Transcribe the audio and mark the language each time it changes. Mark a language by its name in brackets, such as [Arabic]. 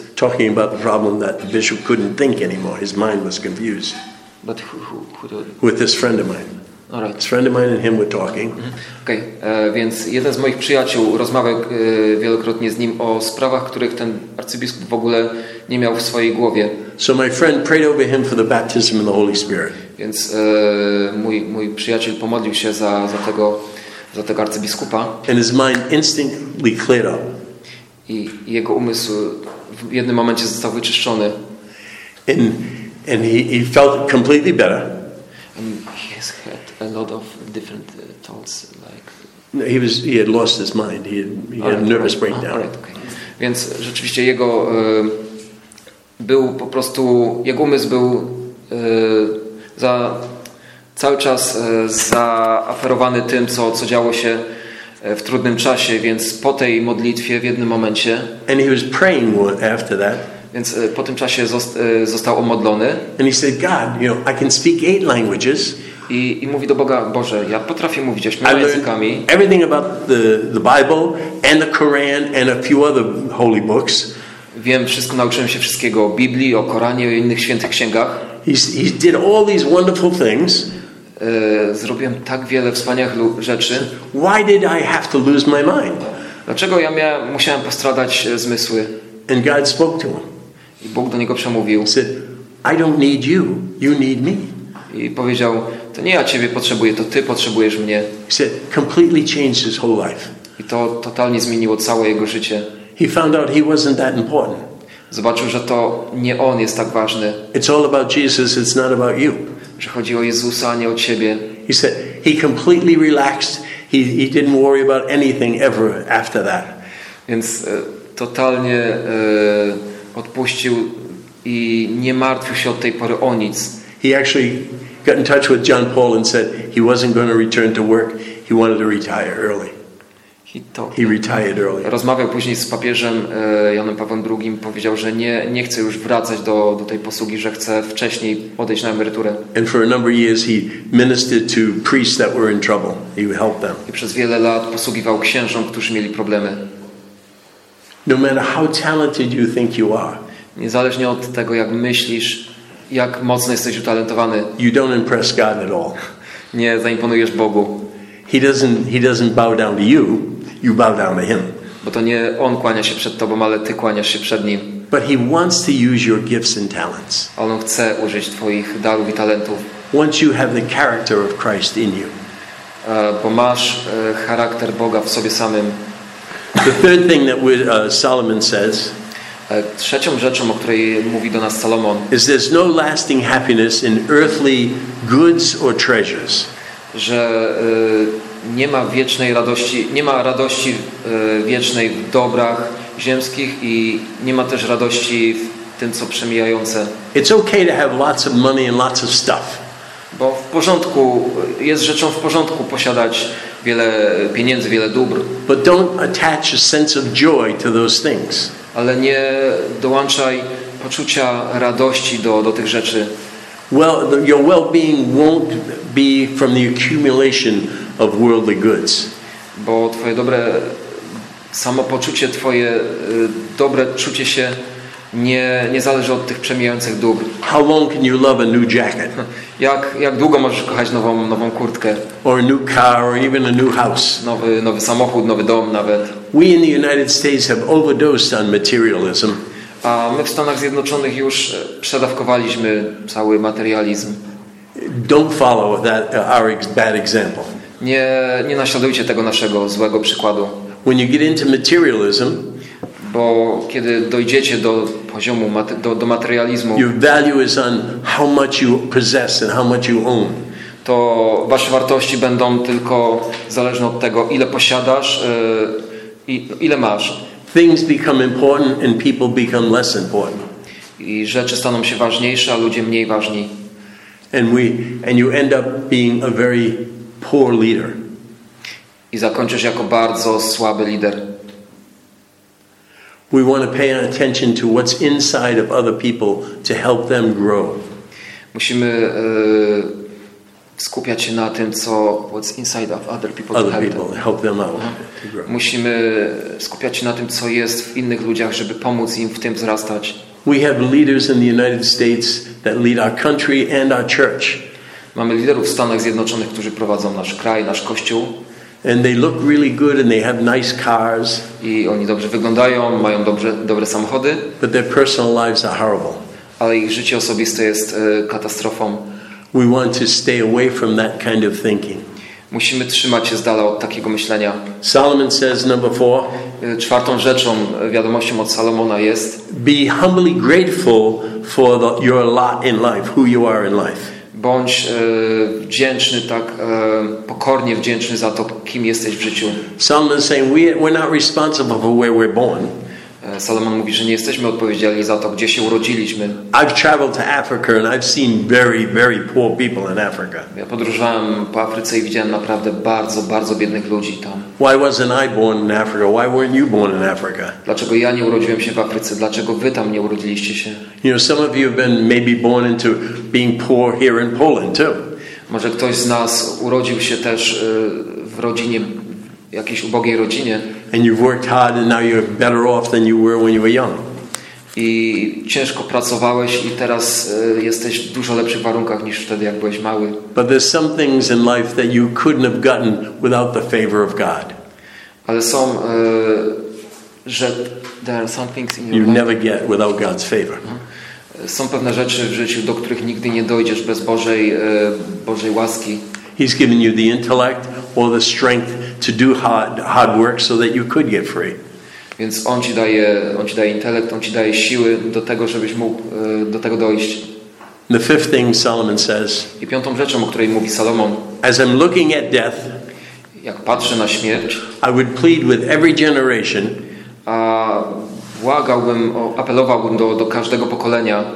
[English] talking about the problem that the bishop couldn't think anymore. His mind was confused. But who do... with this friend of mine. All right. This friend of mine and him were talking. Okay. [Polish] Więc jeden z moich przyjaciół rozmawiał wielokrotnie z nim o sprawach, których ten arcybiskup w ogóle nie miał w swojej głowie. [English] So my friend prayed over him for the baptism in the Holy Spirit. [Polish] Więc mój przyjaciel pomodlił się za tego arcybiskupa. [English] And his mind instantly cleared up. [Polish] I jego umysł w jednym momencie został wyczyszczony. [English] And he felt completely better. And he has had a lot of different thoughts, like. No, he had lost his mind. He had a nervous breakdown. Right, okay. [Polish] Więc rzeczywiście jego był po prostu, jego umysł był za cały czas zaaferowany tym, co działo się w trudnym czasie. Więc po tej modlitwie w jednym momencie. [English] And he was praying after that. [Polish] Więc po tym czasie został omodlony. [English] And he said, God, you know, I can speak 8 languages. [Polish] I mówi do Boga, Boże, ja potrafię mówić 8 językami. [English] Everything about the Bible and the Quran and a few other holy books. [Polish] Wiem wszystko, nauczyłem się wszystkiego o Biblii, o Koranie, o innych świętych księgach. [English] He did all these wonderful things. [Polish] Zrobiłem tak wiele wspaniałych rzeczy. [English] Why did I have to lose my mind? [Polish] Dlaczego ja musiałem postradać zmysły? [English] And God spoke to him. [Polish] I Bóg do niego przemówił. [English] Said, I don't need you. You need me. [Polish] I powiedział, to nie ja ciebie potrzebuję, to ty potrzebujesz mnie. [English] He said, completely changed his whole life. [Polish] I to totalnie zmieniło całe jego życie. [English] He found out he wasn't that important. [Polish] Zobaczył, że to nie on jest tak ważny. [English] It's all about Jesus, it's not about you. [Polish] Że chodzi o Jezusa, a nie o ciebie. [English] He said he completely relaxed. He didn't worry about anything ever after that. [Polish] Więc totalnie odpuścił i nie martwił się od tej pory o nic. [English] He actually got in touch with John Paul and said he wasn't going to return to work. He wanted to retire early. He retired early. [Polish] Rozmawiał później z papieżem Janem Pawłem II, powiedział, że nie chce już wracać do tej posługi, że chce wcześniej odejść na emeryturę. [English] And for a number of years he ministered to priests that were in trouble. He helped them. [Polish] I przez wiele lat posługiwał księżom, którzy mieli problemy. [English] No matter how talented you think you are. [Polish] Niezależnie od tego, jak myślisz, jak mocno jesteś utalentowany. [English] You don't impress God at all. [Polish] Nie zaimponujesz Bogu. [English] He doesn't bow down to you. You bow down to him. [Polish] Bo to nie on kłania się przed tobą, ale ty kłaniasz się przed nim. [English] But he wants to use your gifts and talents. [Polish] On chce użyć twoich darów i talentów. [English] Once you have the character of Christ in you. [Polish] Bo masz charakter Boga w sobie samym. [English] The third thing that Solomon says. [Polish] Trzecią rzeczą, o której mówi do nas Salomon. [English] Is there's no lasting happiness in earthly goods or treasures. [Polish] Że nie ma wiecznej radości, nie ma radości wiecznej w dobrach ziemskich i nie ma też radości w tym, co przemijające. [English] It's okay to have lots of money and lots of stuff. [Polish] Bo w porządku, jest rzeczą w porządku posiadać wiele pieniędzy, wiele dóbr. [English] But don't attach a sense of joy to those things. [Polish] Ale nie dołączaj poczucia radości do tych rzeczy. [English] Well, your well-being won't be from the accumulation of worldly goods. [Polish] Bo twoje dobre samopoczucie, twoje dobre czucie się nie zależy od tych przemijających dóbr. [English] How long can you love a new jacket? [Polish] Jak długo możesz kochać nową kurtkę? [English] Or a new car, or even a new house. [Polish] Nowy samochód, nowy dom nawet. [English] We in the United States have overdosed on materialism. [Polish] A my w Stanach Zjednoczonych już przedawkowaliśmy cały materializm. [English] Don't follow that our bad example. [Polish] Nie naśladujcie tego naszego złego przykładu. [English] When you get into materialism, [Polish] bo kiedy dojdziecie do poziomu do materializmu, [English] your value is on how much you possess and how much you own. [Polish] To wasze wartości będą tylko zależne od tego, ile posiadasz i ile masz. [English] Things become important and people become less important. [Polish] I rzeczy staną się ważniejsze, a ludzie mniej ważni. [English] And you end up being a very poor leader. [Polish] I zakończysz jako bardzo słaby lider. [English] We want to pay attention to what's inside of other people to help them grow. [Polish] Musimy skupiać się na tym, co [English] what's inside of other people, other to help, people them. Help them out. [Polish] Musimy skupiać się na tym, co jest w innych ludziach, żeby pomóc im w tym wzrastać. [English] We have leaders in the United States that lead our country and our church. [Polish] Mamy liderów w Stanach Zjednoczonych, którzy prowadzą nasz kraj, nasz kościół. [English] And they look really good and they have nice cars. [Polish] I oni dobrze wyglądają, mają dobre samochody. [English] But their personal lives are horrible. [Polish] Ale ich życie osobiste jest katastrofą. [English] We want to stay away from that kind of thinking. [Polish] Musimy trzymać się z dala od takiego myślenia. [English] Solomon says number four. [Polish] Czwartą rzeczą, wiadomością od Salomona jest: [English] be humbly grateful for your lot in life, who you are in life. [Polish] Bądź wdzięczny, tak pokornie wdzięczny za to, kim jesteś w życiu. [English] Solomon saying we're not responsible for where we're born. [Polish] Salomon mówi, że nie jesteśmy odpowiedzialni za to, gdzie się urodziliśmy. [English] I've traveled to Africa and I've seen very, very poor people in Africa. [Polish] Ja podróżowałem po Afryce i widziałem naprawdę bardzo, bardzo biednych ludzi tam. [English] Why wasn't I born in Africa? Why weren't you born in Africa? [Polish] Dlaczego ja nie urodziłem się w Afryce? Dlaczego wy tam nie urodziliście się? [English] You know, some of you have been maybe born into being poor here in Poland too. [Polish] Może ktoś z nas urodził się też w rodzinie, jakiejś ubogiej rodzinie. [English] And you've worked hard and now you're better off than you were when you were young. [Polish] I ciężko pracowałeś i teraz jesteś w dużo lepszych warunkach niż wtedy, jak byłeś mały. [English] But there's some things in life that you couldn't have gotten without the favor of God. [Polish] Ale są że [English] there are some things in your you life never get without God's favor. [Polish] Są pewne rzeczy w życiu, do których nigdy nie dojdziesz bez Bożej łaski. [English] He's given you the intellect or the strength to do hard work so that you could get free. [Polish] Więc on ci daje intelekt, on ci daje siły do tego, żebyś mógł do tego dojść. [English] The fifth thing Solomon says. [Polish] I piątą rzeczą, o której mówi Salomon. [English] As I'm looking at death, [Polish] jak patrzę na śmierć, [English] I would plead with every generation, [Polish] a błagałbym, apelowałbym do każdego pokolenia.